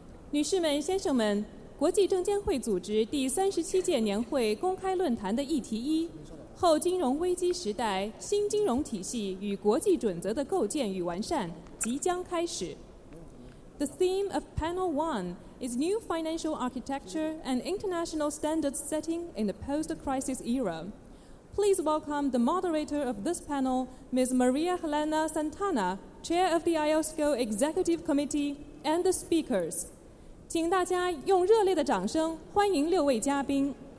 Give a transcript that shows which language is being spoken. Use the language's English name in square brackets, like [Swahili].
[Chinese] 女士们、先生们，国际证监会组织第37届年会公开论坛的议题一，后金融危机时代新金融体系与国际准则的构建与完善即将开始。 [English] The theme of panel one is new financial architecture and international standards setting in the post-crisis era. Please welcome the moderator of this panel, Ms. Maria Helena Santana,Chair of the IOSCO Executive Committee and the speakers. [Chinese] 请大家用热烈的掌声欢迎六位嘉宾。